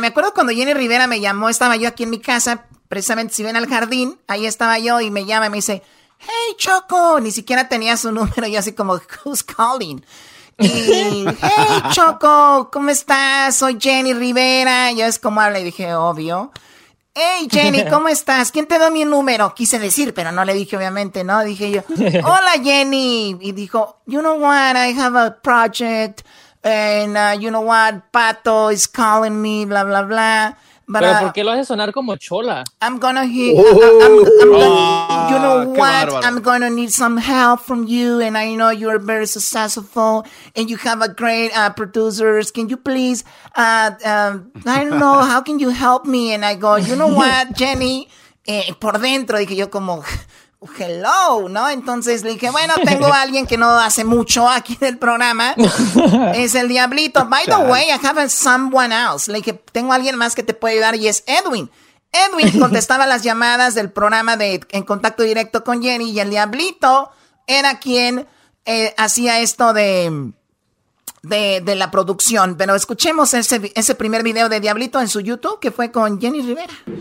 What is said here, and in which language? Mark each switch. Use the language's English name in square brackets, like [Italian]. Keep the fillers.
[Spanish] Me acuerdo cuando Jenny Rivera me llamó, estaba yo aquí en mi casa, precisamente si ven al jardín, ahí estaba yo y me llama y me dice, hey Choco, ni siquiera tenía su número, yo así como, [English] who's calling? [Spanish] Y, hey Choco, ¿cómo estás? Soy Jenny Rivera, yo es como habla y dije, obvio. Hey, Jenny, ¿cómo estás? ¿Quién te da mi número? Quise decir, pero no le dije, obviamente, ¿no? Dije yo, hola, Jenny. Y dijo, [English] you know what, I have a project. And uh, you know what, Pato is calling me, bla, bla, bla. But, [Spanish] Pero uh, ¿por qué lo hace sonar como chola? [English] I'm gonna, oh, I'm, I'm, I'm oh, gonna oh, you know what? I'm gonna need some help from you, and I know you're very successful, and you have a great uh, producers. Can you please? Uh, uh I don't know. how can you help me? And I go, you know what, Jenny? [Spanish] Eh, por dentro dije yo como. [English] hello, [Spanish] ¿no? Entonces le dije, bueno, tengo a alguien que no hace mucho aquí del programa. Es el diablito. [English] By the way, I have a someone else. [Spanish] Le dije, tengo a alguien más que te puede ayudar y es Edwin. Edwin contestaba las llamadas del programa de En Contacto Directo con Jenny y el diablito era quien eh, hacía esto de... De, de la producción, pero bueno, escuchemos ese, ese primer video de Diablito en su YouTube que fue con Jenny Rivera.